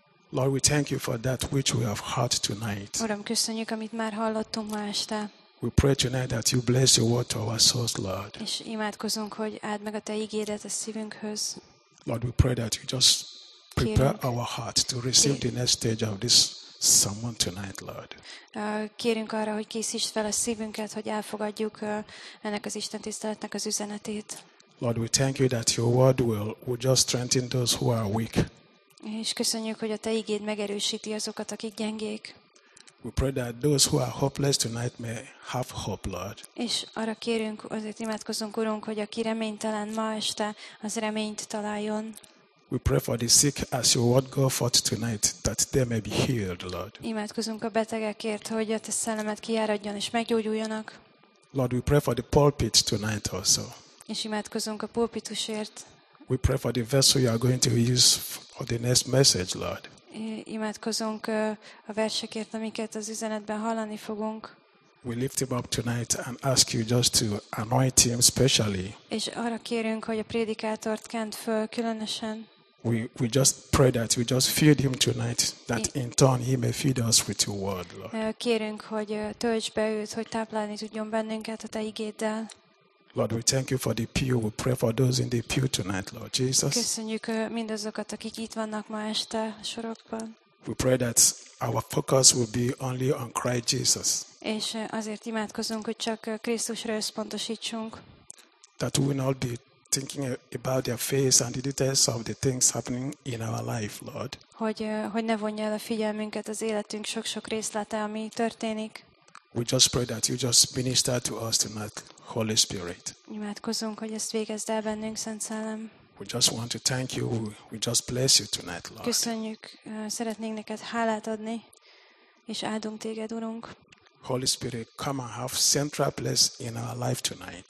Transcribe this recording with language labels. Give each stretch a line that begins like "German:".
English: Lord, we thank you for that which we have heard tonight.
Hungarian: Uram, köszönjük, amit már hallottunk ma este.
English: We pray tonight that you bless your word to our souls, Lord.
Hungarian: És imádkozunk, hogy add meg a te ígédet a szívünkhöz.
English: Lord, we pray that you just prepare our heart to receive the next stage of this sermon tonight, Lord.
Hungarian: Kérünk arra, hogy készítsd fel a szívünket, hogy elfogadjuk ennek az istentiszteletnek az üzenetét.
English: Lord, we thank you that your word will just strengthen those who are weak.
Hungarian: És köszönjük, hogy a te ígéd megerősíti azokat, akik gyengék.
English: We pray that those who are hopeless tonight may have hope, Lord.
Hungarian: És arra kérünk, azért imádkozunk, Urunk, hogy aki reménytelen ma este, az reményt találjon.
English: We pray for the sick as your word go forth tonight that they may be healed, Lord.
Hungarian: Imádkozunk a betegekért, hogy a te szellemed kiáradjon és meggyógyuljanak.
English: Lord, we pray for the pulpit tonight also.
Hungarian: És imádkozunk a pulpitusért.
English: We pray for the vessel you are going to use for the next message, Lord.
Hungarian: Imádkozunk a versekért, amiket az üzenetben hallani fogunk.
English: We lift him up tonight and ask you just to anoint him specially.
Hungarian: És arra kérünk, hogy a prédikátort kent föl különösen.
English: We just pray that we just feed him tonight, that in turn he may feed us with your word, Lord.
Hungarian: Kérünk, hogy töltsd be őt, hogy táplálni tudjon bennünket a te igéddel.
English: Lord, we thank you for the pew. We pray for those in the pew tonight, Lord Jesus.
Hungarian: Köszönjük mindazokat, akik itt vannak ma este sorokban.
English: We pray that our focus will be only on Christ Jesus.
Hungarian: És azért imádkozunk, hogy csak Krisztusra összpontosítsunk.
English: That we will not be thinking about their face and the details of the things happening in our life, Lord.
Hungarian: Hogy ne vonja el a figyelmünket az életünk sok-sok részlete, ami történik.
English: We just pray that you just minister to us tonight, Holy Spirit.
Hungarian: Imádkozunk, hogy ezt végezd el bennünk, Szent Szellem.
English: We just want to thank you. We just bless you tonight, Lord.
Hungarian: Köszönjük, szeretnénk neked hálát adni, és áldunk téged, Urunk.
English: Holy Spirit, come and have central place in our life tonight.